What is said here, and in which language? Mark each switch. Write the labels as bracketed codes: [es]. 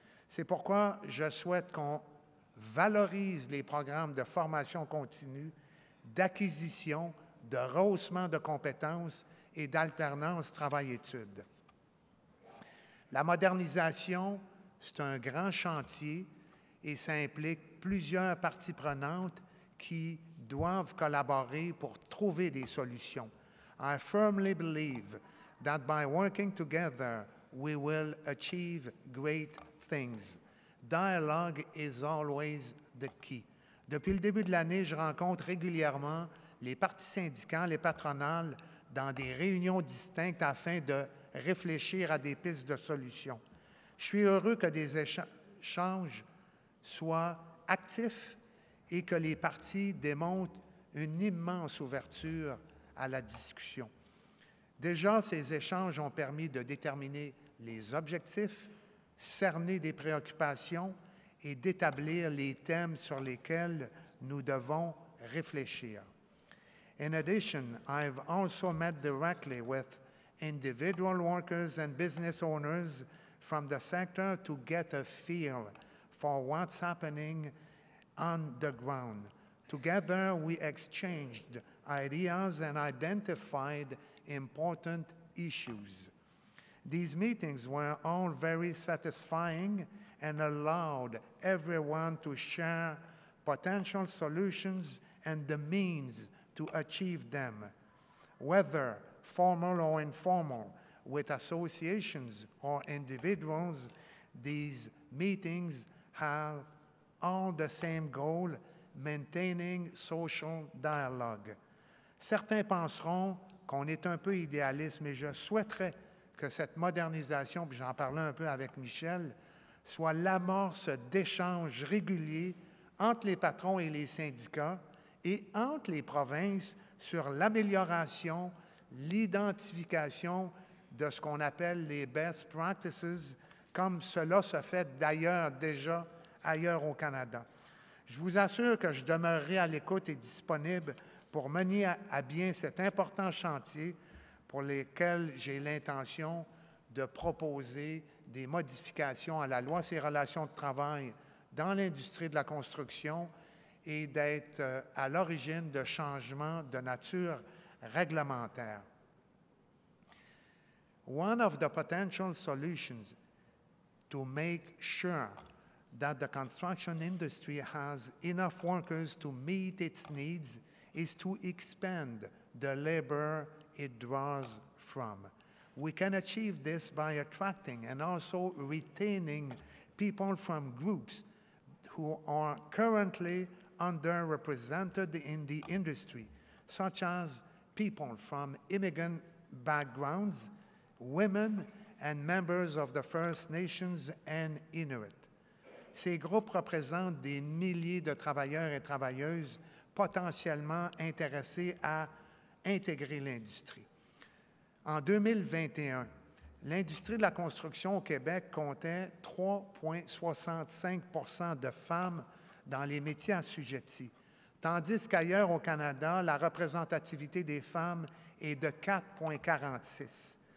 [fr] C'est pourquoi je souhaite qu'on valorise les programmes de formation continue, d'acquisition, de rehaussement de compétences et d'alternance travail-études. La modernisation, c'est un grand chantier et ça implique plusieurs parties prenantes qui doivent collaborer pour trouver des solutions. [en] I firmly believe that by working together, we will achieve great things. Dialogue is always the key. [fr] Depuis le début de l'année, je rencontre régulièrement les partis syndicants, les patronales, dans des réunions distinctes afin de réfléchir à des pistes de solutions. Je suis heureux que des échanges soient actifs et que les partis démontrent une immense ouverture à la discussion. Déjà, ces échanges ont permis de déterminer les objectifs, cerner des préoccupations et d'établir les thèmes sur lesquels nous devons réfléchir. [en] In addition, I've also met directly with individual workers and business owners from the sector to get a feel for what's happening on the ground. Together, we exchanged ideas and identified important issues. These meetings were all very satisfying and allowed everyone to share potential solutions and the means to achieve them, whether formal or informal, with associations or individuals. These meetings have all the same goal: maintaining social dialogue. [fr] Certains penseront qu'on est un peu idéaliste, mais je souhaiterais que cette modernisation, puis j'en parlais un peu avec Michel, soit l'amorce d'échanges réguliers entre les patrons et les syndicats et entre les provinces sur l'amélioration, l'identification de ce qu'on appelle les « best practices », comme cela se fait d'ailleurs déjà ailleurs au Canada. Je vous assure que je demeurerai à l'écoute et disponible pour mener à bien cet important chantier pour lequel j'ai l'intention de proposer des modifications à la loi sur les relations de travail dans l'industrie de la construction et d'être à l'origine de changements de nature réglementaire. [en] One of the potential solutions to make sure that the construction industry has enough workers to meet its needs is to expand the labor it draws from. We can achieve this by attracting and also retaining people from groups who are currently underrepresented in the industry, such as people from immigrant backgrounds, women, and members of the First Nations and Inuit. [fr] Ces groupes représentent des milliers de travailleurs et travailleuses potentiellement intéressés à intégrer l'industrie. En 2021, l'industrie de la construction au Québec comptait 3,65% de femmes dans les métiers assujettis, tandis qu'ailleurs au Canada, la représentativité des femmes est de 4,46.